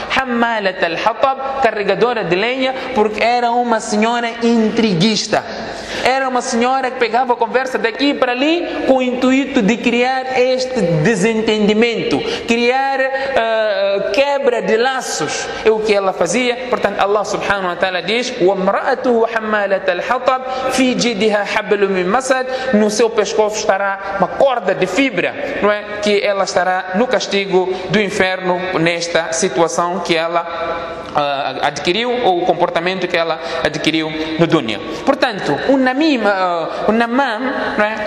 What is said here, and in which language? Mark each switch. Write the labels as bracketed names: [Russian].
[Portuguese] Hamalat al-hatab, carregadora de lenha, porque era uma senhora intriguista. Era uma senhora que pegava a conversa daqui para ali com o intuito de criar este desentendimento, criar quebra de laços. É o que ela fazia. Portanto, Allah subhanahu wa ta'ala diz: [Arabic] وَمْرَأَتُهُ حَمَّالَةَ الْحَطَبْ فِي جِدِهَا حَبْلٌ مِّن مَّسَدْ. [Portuguese] No seu pescoço estará uma corda de fibra, não é? Que ela estará no castigo do inferno nesta situação que ela adquiriu, ou o comportamento que ela adquiriu no dunya. Portanto, o namam, não é?